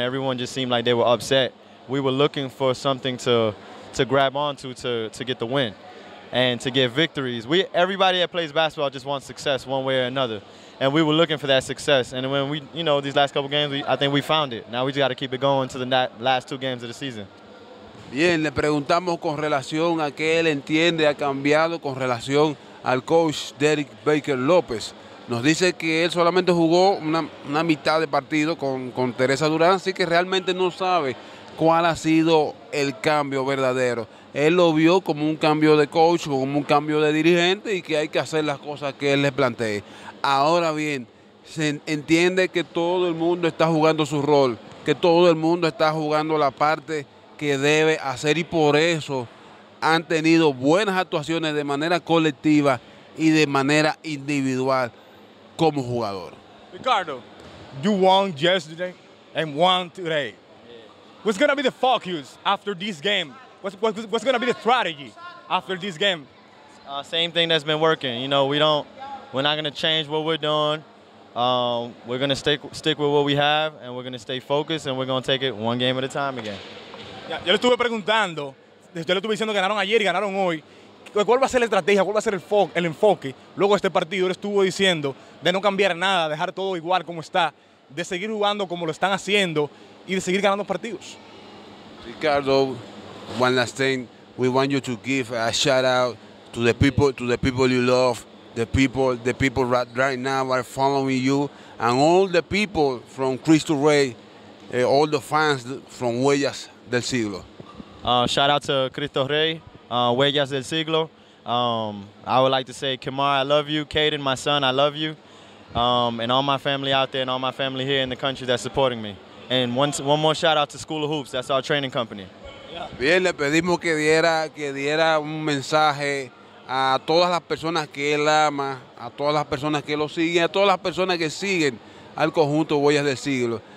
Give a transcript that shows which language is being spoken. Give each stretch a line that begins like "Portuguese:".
English: Everyone just seemed like they were upset. We were looking for something to grab onto to get the win and to get victories. Everybody that plays basketball just wants success one way or another, and we were looking for that success. And when we, you know, these last couple games, I think we found it. Now we just got to keep it going to the last two games of the season.
Spanish: Bien, le preguntamos con relación a qué él entiende ha cambiado con relación al coach Derek Baker López. Nos dice que él solamente jugó una mitad de partido con Teresa Durán, así que realmente no sabe cuál ha sido el cambio verdadero. Él lo vio como un cambio de coach, como un cambio de dirigente, y que hay que hacer las cosas que él le plantee. Ahora bien, se entiende que todo el mundo está jugando su rol, que todo el mundo está jugando la parte que debe hacer, y por eso han tenido buenas actuaciones de manera colectiva y de manera individual como jugador.
English: Ricardo, you won yesterday and won today. What's going to be the focus after this game? What's going to be the strategy after this game? Same thing that's been working. You know, we don't We're not going to change what we're doing. We're going to stick with what we have, and we're going to stay focused, and we're going to take it one game at a time again.
Spanish: Yo le estuve preguntando, yo le estuve diciendo que ganaron ayer y ganaron hoy. ¿Cuál va a ser la estrategia? ¿Cuál va a ser el enfoque luego de este partido? Él estuvo diciendo de no cambiar nada, dejar todo igual como está, de seguir jugando como lo están haciendo y de seguir ganando partidos.
English: Ricardo, one last thing. We want you to give a shout out to the people, you love, the people right now are following you, and all the people from Cristo Rey, all the fans from Huellas del Siglo. Shout out to Cristo Rey. Huellas del Siglo. I would like to say, Kamar, I love you. Kaden, my son, I love you. And all my family out there and all my family here in the country that's supporting me. And one more shout out to School of Hoops. That's our training company.
Spanish: Bien, le pedimos que diera un mensaje a todas las personas que él ama, a todas las personas que lo siguen, a todas las personas que siguen al conjunto Huellas del Siglo.